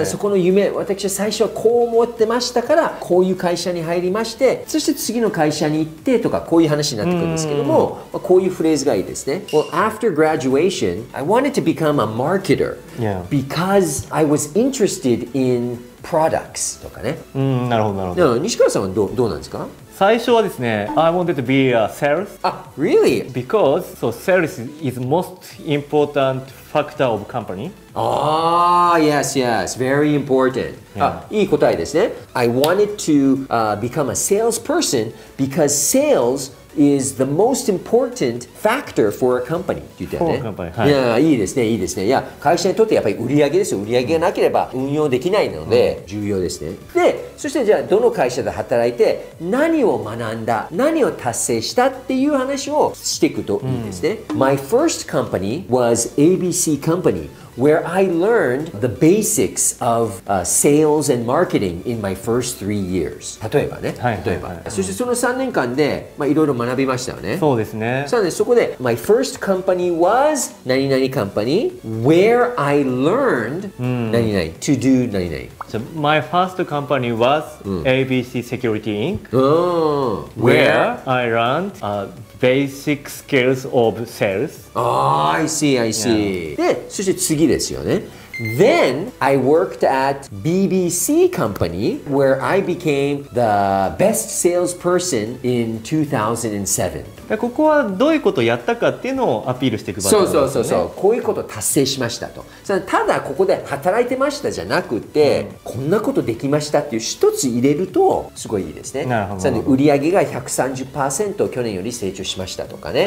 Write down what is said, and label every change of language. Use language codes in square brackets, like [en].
[ja] うん、そこの夢、私は最初はこう思ってましたからこういう会社に入りまして、そして次の会社に行ってとか、こういう話になってくるんですけども、うこういうフレーズがいいですね。 [en] Well, after graduation I wanted to become a marketer、 yeah. because I was interested inProducts [ja] とかね。うん、なるほどなるほど。西川さんはどうなんですか？最初はですね、 [en] I wanted to be a sales. あ、really? Because so sales is most important factor of company. Ah, yes, yes, very important. Yeah. [ja] あ、いい答えですね。 [en] I wanted to、become a salesperson because sales is the most important factor for a company. [ja] って言ったよね。はい、いや、いいですね、いいですね。いや、会社にとってやっぱり売り上げですよ。売り上げがなければ運用できないので、うん、重要ですね。で、そしてじゃあどの会社で働いて何を学んだ、何を達成したっていう話をしていくといいですね。うん、 [en] My first company was ABC Company. Where I learned the basics of、sales and marketing in my first three years. [ja] 例えばね、はいはいはい、例えば、うん。そしてその3年間で、まあ、いろいろ学びましたよね。そうですね。さあね、そこで、 [en] My first company was 何々 company where I learned 何々、うん、to do 何々。 So, my first company was ABC Security Inc.、 [ja] うん、 [en] where I learned、basic skills of sales. Oh, I see, I see.、Yeah. [ja] で、そして次ですよね。 [en] Then I worked at BBC company where I became the best salesperson in 2007. [ja] ここはどういうことをやったかっていうのをアピールしていく場所ですね。そうそうそうそう。こういうことを達成しましたと。ただここで働いてましたじゃなくて、うん、こんなことできましたっていう一つ入れるとすごいいいですね。なるほど。売上が 130% 去年より成長しましたとかね、